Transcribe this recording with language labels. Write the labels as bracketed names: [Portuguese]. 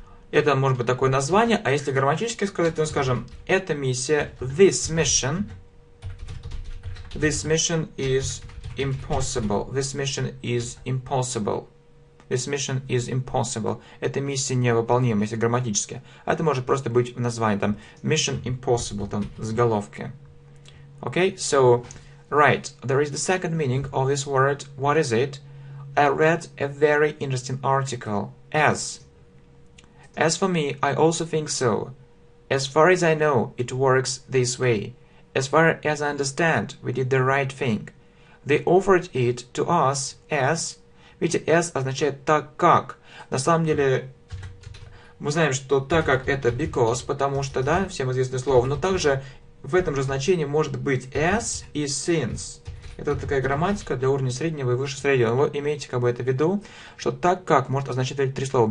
[Russian] Это может быть такое название, а если грамматически сказать, то мы скажем, эта миссия, [English] this mission is impossible. This mission is impossible. This mission is impossible. [Russian] Эта миссия невыполнима, если грамматически. Это может просто быть в названии, там, mission impossible, там, с головки. [English] Okay, so, right, there is the second meaning of this word. What is it? I read a very interesting article. As for me, I also think so. As far as I know, it works this way. As far as I understand, we did the right thing. They offered it to us as... [Russian] Видите, as означает так как. На самом деле, мы знаем, что так как это because, потому что, да, всем известное слово, но также... В этом же значении может быть as и since. Это такая грамматика для уровня среднего и выше среднего. Вы имеете как бы это в виду, что так как может означать эти три слова.